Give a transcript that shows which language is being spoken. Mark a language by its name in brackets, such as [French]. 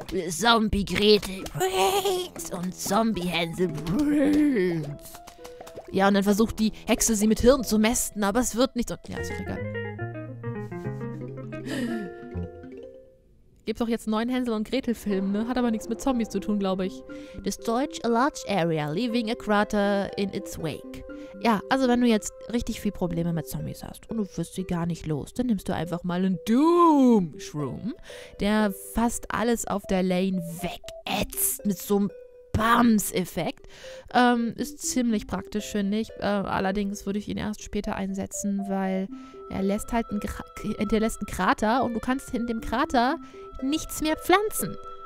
[German] Zombie Gretel Brains und Zombie Hänsel Brains. Ja, und dann versucht die Hexe sie mit Hirn zu mästen, aber es wird nicht so. Ja, ist egal. Gibt doch jetzt einen neuen Hänsel und Gretel Film, ne? Hat aber nichts mit Zombies zu tun, glaube ich. [English] Destroyed a large area, leaving a crater in its wake. [German] Ja, also wenn du jetzt richtig viel Probleme mit Zombies hast und du wirst sie gar nicht los, dann nimmst du einfach mal einen Doom-Shroom, der fast alles auf der Lane wegätzt mit so einem Bums-Effekt. Ist ziemlich praktisch, finde ich. Allerdings würde ich ihn erst später einsetzen, weil er lässt halt hinterlässt einen Krater und du kannst in dem Krater nichts mehr pflanzen.